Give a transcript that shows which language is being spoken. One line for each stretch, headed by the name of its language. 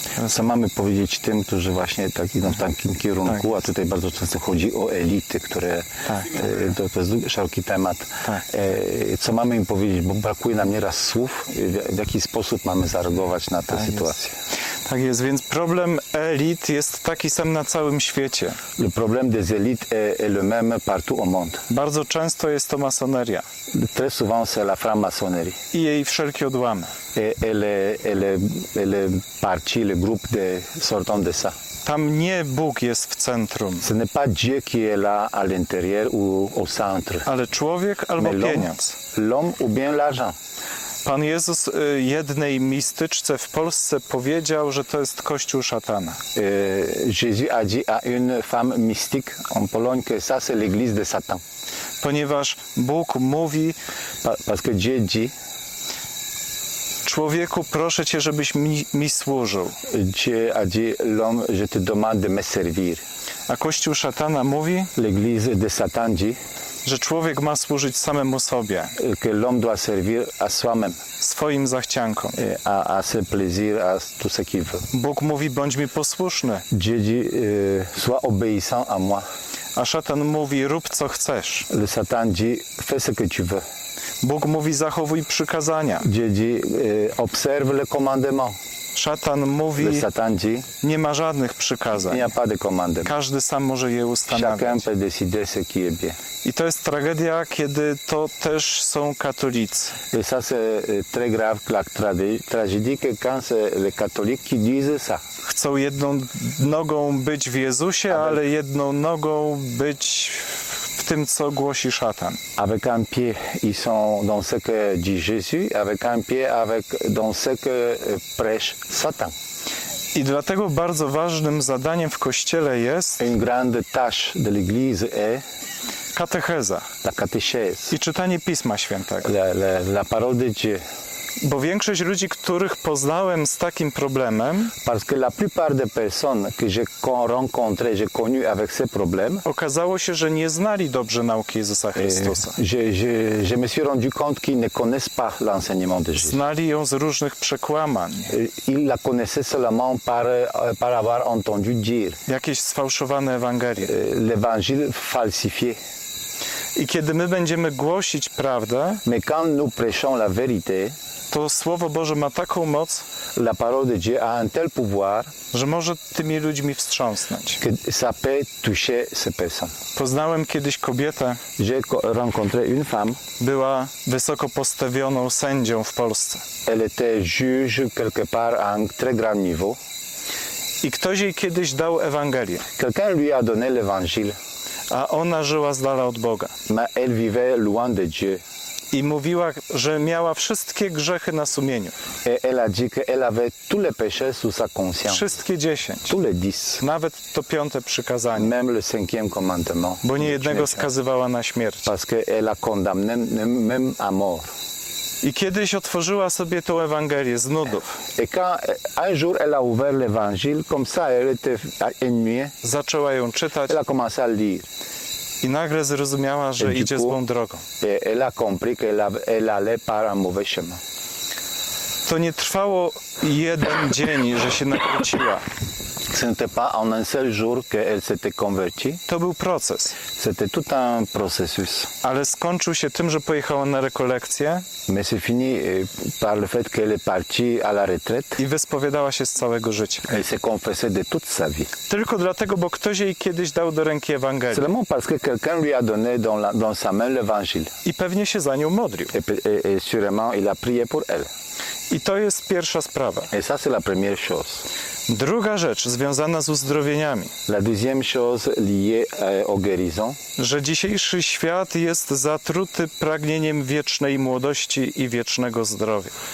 Polish: Co mamy powiedzieć tym, którzy właśnie tak idą w takim kierunku, tak. A tutaj bardzo często chodzi o elity, które to jest szeroki temat. Co mamy im powiedzieć, bo brakuje nam nieraz słów, w jaki sposób mamy zareagować na tę sytuację. Tak jest, więc problem elit jest taki sam na całym świecie.
French: Le problème des élites est le même partout au monde.
Polish: Bardzo często jest to masoneria.
French: Très souvent c'est la franc-maçonnerie.
Polish: I jej wszelkie odłamy.
French: Elle partie, le groupe de sortant de ça.
Polish: Tam nie Bóg jest w centrum.
French: Ce n'est pas Dieu qui est là à l'intérieur ou au centre.
Polish: Ale człowiek albo pieniądz.
French: L'homme ou bien l'argent.
Polish: Pan Jezus jednej mistyczce w Polsce powiedział, że to jest kościół szatana.
French: Jésus a dit à une femme mystique en Pologne que ça c'est l'église de Satan.
Polish: Ponieważ Bóg mówi,
French: parce que Dieu dit,
Polish: człowieku, proszę cię, żebyś mi służył.
French: Dieu a dit l'homme, je te demande de me servir.
Polish: A kościół szatana mówi,
French: l'église de Satan dit,
Polish: że człowiek ma służyć samemu sobie.
French: Que l'homme doit servir à soi-même.
Polish: Swoim zachciankom.
French: À ses plaisirs, à tout ce qu'il veut.
Polish: Bóg mówi, bądź mi posłuszny.
French: Dieu dit, sois obéissant à moi.
Polish: A szatan mówi, rób co chcesz.
French: Le Satan dit, fais ce que tu veux.
Polish: Bóg mówi, zachowuj przykazania.
French: Dieu dit, observe le commandement.
Polish: Szatan mówi,
French: le Satan dit,
Polish: nie ma żadnych przykazań.
French: Il n'y a pas de commandement.
Polish: Każdy sam może je ustanawiać.
French: Chacun peut décider ce qu'il veut.
Polish: I to jest tragedia, kiedy to też są katolicy.
French: Et ça c'est très grave, la tragédie que quand les catholiques qui disent ça.
Polish: Chcą jedną nogą być w Jezusie, ale jedną nogą być w tym, co głosi szatan.
French: Avec un pied ils sont dans ce que dit Jésus, avec un pied dans ce que prêche Satan.
Polish: I dlatego bardzo ważnym zadaniem w kościele jest
French: une grande tâche de l'église est
Polish: katecheza.
French: La catechèse.
Polish: I czytanie Pisma Świętego.
French: La parole de Dieu.
Polish: Bo większość ludzi, których poznałem z takim problemem,
French: parce que la plupart des personnes que j'ai rencontré, j'ai connu avec ce problème,
Polish: okazało się, że nie znali dobrze nauki Jezusa Chrystusa.
French: Je me suis rendu compte qu'ils ne connaissent pas l'enseignement de Jésus.
Polish: Znali ją z różnych przekłamań.
French: Ils la connaissaient seulement par avoir entendu dire.
Polish: Jakieś sfałszowane Ewangelie.
French: L'évangile falsifié.
Polish: I kiedy my będziemy głosić prawdę,
French: mais quand nous prêchons la vérité,
Polish: to Słowo Boże ma taką moc,
French: la parole de Dieu a un tel pouvoir,
Polish: że może tymi ludźmi wstrząsnąć.
French: Que ça peut toucher ces personnes.
Polish: Poznałem kiedyś kobietę,
French: j'ai rencontré une femme,
Polish: była wysoko postawioną sędzią w Polsce.
French: Elle était juge quelque part à un très grand niveau.
Polish: I ktoś jej kiedyś dał Ewangelię.
French: Quelqu'un lui a donné l'évangile.
Polish: A ona żyła z dala od Boga.
French: Mais elle vivait loin de Dieu.
Polish: I mówiła, że miała wszystkie grzechy na sumieniu.
French: Et elle a dit qu'elle avait tous les péchés sous sa conscience.
Polish: Wszystkie 10.
French: Tous les 10.
Polish: Nawet to piąte przykazanie.
French: Même le cinquième commandement.
Polish: Bo nie jednego skazywała na śmierć.
French: Parce qu'elle a condamné même à mort.
Polish: I kiedyś otworzyła sobie tę Ewangelię z nudów.
French: Et quand un jour elle a ouvert l'évangile, comme ça elle était ennuyée,
Polish: zaczęła ją czytać.
French: Elle a commencé à lire.
Polish: I nagle zrozumiała, że
French: et
Polish: idzie złą drogą.
French: Elle a compris qu'elle allait par un mauvais chemin.
Polish: To nie trwało jeden dzień, że się nawróciła.
French: Ce n'était pas en un seul jour qu'elle s'était convertie.
Polish: To był proces.
French: C'était tout un processus.
Polish: Ale skończył się tym, że pojechała na rekolekcję.
French: Mais c'est fini par le fait qu'elle est partie à la retraite.
Polish: I wyspowiadała się z całego życia.
French: Elle s'est confessée de toute sa vie.
Polish: Tylko dlatego, bo ktoś jej kiedyś dał do ręki Ewangelię.
French: Seulement parce que quelqu'un lui a donné dans sa main l'évangile.
Polish: I pewnie się za nią modlił.
French: Et sûrement il a prié pour elle.
Polish: I to jest pierwsza sprawa.
French: Et ça c'est la première chose.
Polish: Druga rzecz związana z uzdrowieniami.
French: La deuxième chose liée au guérison.
Polish: Że dzisiejszy świat jest zatruty pragnieniem wiecznej młodości i wiecznego zdrowia.